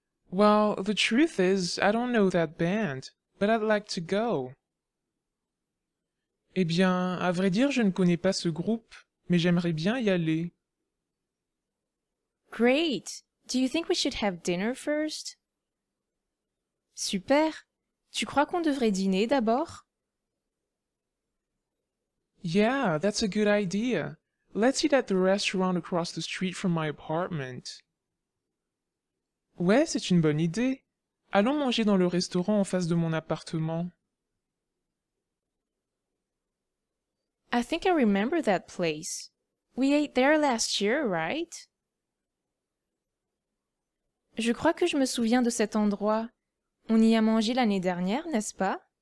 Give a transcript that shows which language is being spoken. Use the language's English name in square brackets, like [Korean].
[English] Well, the truth is, I don't know that band. But I'd like to go. [French] Eh bien, à vrai dire, je ne connais pas ce groupe, mais j'aimerais bien y aller. [English] Great! Do you think we should have dinner first? [French] Super! Tu crois qu'on devrait dîner d'abord? [English] Yeah, that's a good idea. Let's eat at the restaurant across the street from my apartment. [French] Ouais, c'est une bonne idée. Allons manger dans le restaurant en face de mon appartement. [English] I think I remember that place. We ate there last year, right? [French] Je crois que je me souviens de cet endroit. On y a mangé l'année dernière, n'est-ce pas?